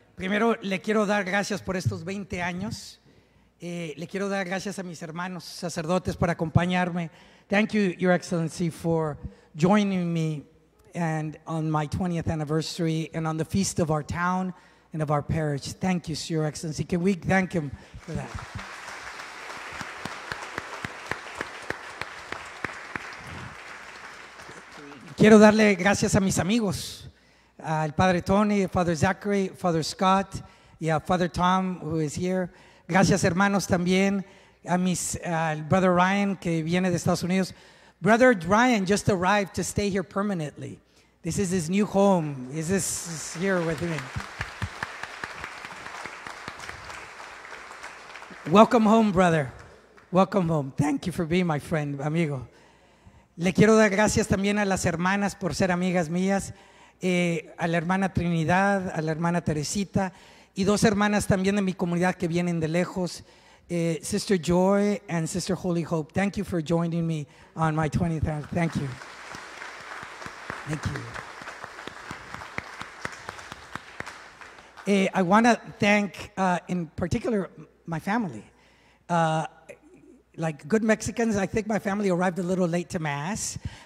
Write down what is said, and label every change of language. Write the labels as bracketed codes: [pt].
[es] Primero, le quiero dar gracias por estos 20 años. Le quiero dar gracias a mis hermanos sacerdotes por acompañarme. [en] Thank you, Your Excellency, for joining me and on my 20th anniversary and on the feast of our town and of our parish. Thank you, Your Excellency. Can we thank him for that? [es] Quiero darle gracias a mis amigos, al Padre Tony, Father Zachary, Father Scott, y a Father Tom, [en] who is here. [es] Gracias, hermanos, también a mis, al Brother Ryan, que viene de Estados Unidos. [en] Brother Ryan just arrived to stay here permanently. This is his new home. This is here with me. Welcome home, brother. Welcome home. Thank you for being my friend, amigo. [es] Le quiero dar gracias también a las hermanas por ser amigas mías, a la hermana Trinidad, a la hermana Teresita, y dos hermanas también de mi comunidad que vienen de lejos, Sister Joy and Sister Holy Hope. [en] Thank you for joining me on my 20th anniversary. Thank you. Thank you. I want to thank, in particular, my family. Like good Mexicans, I think my family arrived a little late to Mass.